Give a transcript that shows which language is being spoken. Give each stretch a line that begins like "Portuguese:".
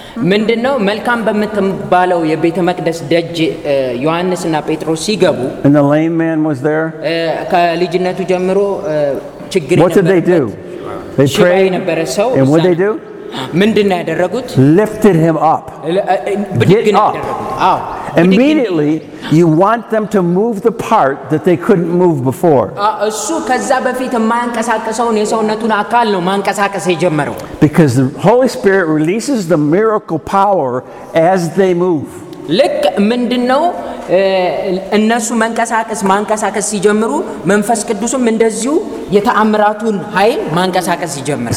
Amharic: ምንድነው መልካም በመተባለው የቤተ መቅደስ ደጅ ዮሐንስና ጴጥሮስ ሲገቡ
English: and the lame man was there?
Amharic: ከልጅነቱ ጀምሮ ችግር ነበር.
English: What did they do? They prayed
Amharic: ነበር ሰው.
English: And what did they do?
Amharic: ምንድነው ያደረጉት?
English: Lifted him up.
Amharic: ብድግ ነው ያደረጉት.
English: Immediately you want them to move the part that they couldn't move before.
Amharic: እሱ ከዛ በፊት ማንቀሳቀሰውን የሰውነቱን አካል ነው ማንቀሳቀስ የጀመረው.
English: Because the Holy Spirit releases the miracle power as they move.
Amharic: ልክ ምንድነው እነሱ ማንቀሳቀስ ሲጀምሩ መንፈስ ቅዱስም እንደዚሁ የተአምራቱን ኃይል ማንቀሳቀስ ሲጀምር.